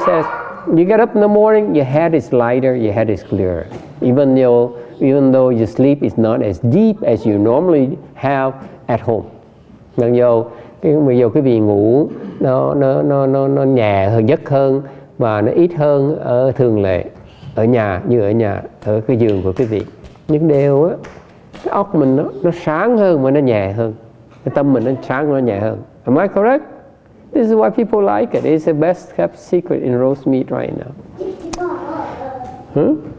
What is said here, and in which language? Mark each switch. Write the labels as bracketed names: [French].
[English] She says, you get up in the morning, your head is lighter, your head is clearer. Even though your sleep is not as deep as you normally have at home. [Vietnamese] Mặc dù cái vị ngủ nó nhẹ hơn, giấc hơn và nó ít hơn ở thường lệ ở nhà, như ở nhà ở cái giường của quý vị. Nhưng đều á, cái óc mình nó sáng hơn mà nó nhẹ hơn. Cái tâm mình nó sáng nó nhẹ hơn. [English] Am I correct? This is why people like it. It's the best kept secret in roast meat right now.